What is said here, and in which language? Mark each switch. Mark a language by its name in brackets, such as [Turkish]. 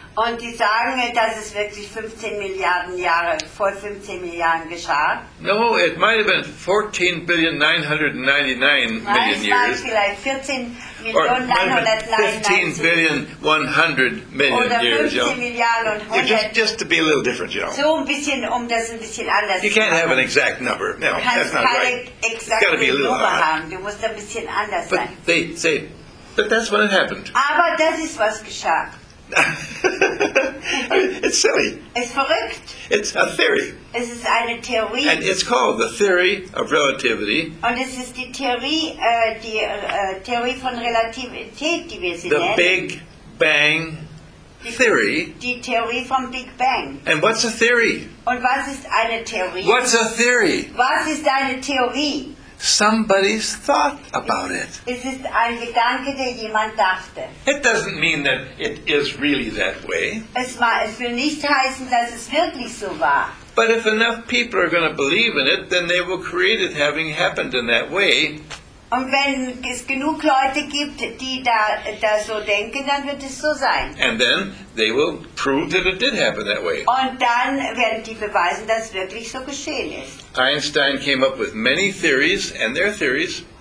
[German] Und die sagen, dass es wirklich 15 Milliarden Jahre, vor 15 Milliarden geschah. [English] No, it might have been 14,999 million years. [German] Es war vielleicht 14,100 million [English] years. [German] Oder 15 Milliarden und 100. [English] Just to be a little different, you know. [German] So ein bisschen, um das ein bisschen anders. [English] You can't have an exact number. No, that's not right. Got to be a little higher. [German] Du musst ein bisschen anders sein. [English] But they say, but that's when it happened. [German] Aber das ist was geschah. [English] I mean, it's silly. [German] Es verrückt. [English] It's a theory. [German] Es ist eine Theorie. [English] And it's called the theory of relativity. [German] Und es ist die Theorie, Theorie von Relativität, die wir sie nennen. [English] The Big Bang theory. [German] Die Theorie vom Big Bang. [English] And what's a theory? [German] Und was ist eine Theorie? [English] What's a theory? [German] Was ist eine Theorie? [English] Somebody's thought about it. [German] Es ist ein Gedanke, der jemand dachte. [English] It doesn't mean that it is really that way. [German] Es will nicht heißen, dass es wirklich so war. [English] But if enough people are going to believe in it, then they will create it having happened in that way. [German] Und wenn es genug Leute gibt, die da so denken, dann wird es so sein. [English] And then they will prove that it did happen that way. [German] Und dann werden die beweisen, dass wirklich so geschehen ist. [English] Einstein came up with many theories and their theories.